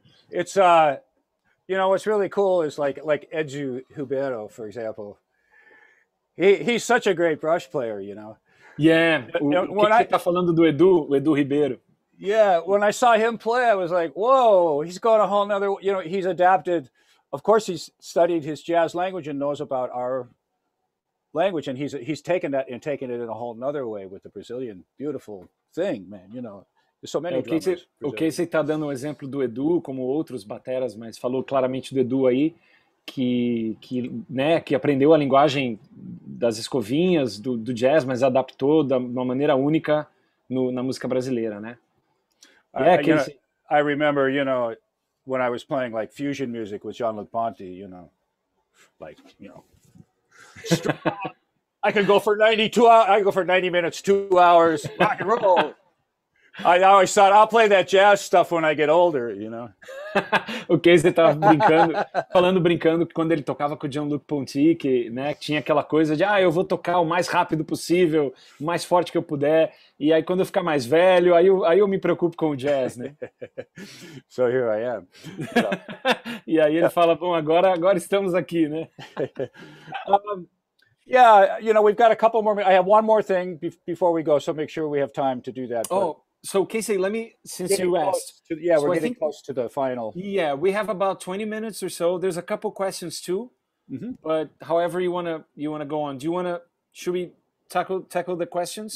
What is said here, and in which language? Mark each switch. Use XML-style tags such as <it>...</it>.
<en>It's you know, what's really cool is like Edu Hubero, for example. He's such a great brush player, you know. Yeah.</en> <pt>Você tá falando do Edu, o Edu Ribeiro.</pt> <en>Yeah, when I saw him play, I was like, whoa, he's gone a whole nother, you know, he's adapted. Of course, he's studied his jazz language and knows about our language. And he's taken that and taken it in a whole nother way with the Brazilian. Beautiful thing, man, you know. There's so many drummers.</en> <pt>O Casey tá dando um exemplo do Edu, como outros bateras, mas falou claramente do Edu aí, que aprendeu a linguagem das escovinhas, do jazz, mas adaptou de uma maneira única no, na música brasileira, né?</pt> <en>Yeah, Casey. I remember, you know, when I was playing like fusion music with Jean-Luc Ponty, you know, like, you know, I could go for 92 hours, I could go for 90 minutes, 2 hours, rock and roll. I always thought I'll play that jazz stuff when I get older, you know.</en> <pt>O Casey tava brincando, falando brincando que quando ele tocava com o Jean-Luc Ponty, que, né, tinha aquela coisa de, ah, eu vou tocar o mais rápido possível, o mais forte que eu puder, e aí quando eu ficar mais velho, aí eu me preocupo com o jazz, né?</pt> <en>So here I am.</en> <pt>E aí ele fala, bom, agora estamos aqui, né?</pt> <en>Yeah, you know, we've got a couple more, I have one more thing before we go, so make sure we have time to do that. But... Oh. So, Casey, let me, since getting you asked. To, yeah, so we're getting close to the final. Yeah, we have about 20 minutes or so. There's a couple questions, too. Mm-hmm. But however you wanna go on. Do you want to, should we tackle the questions?</en>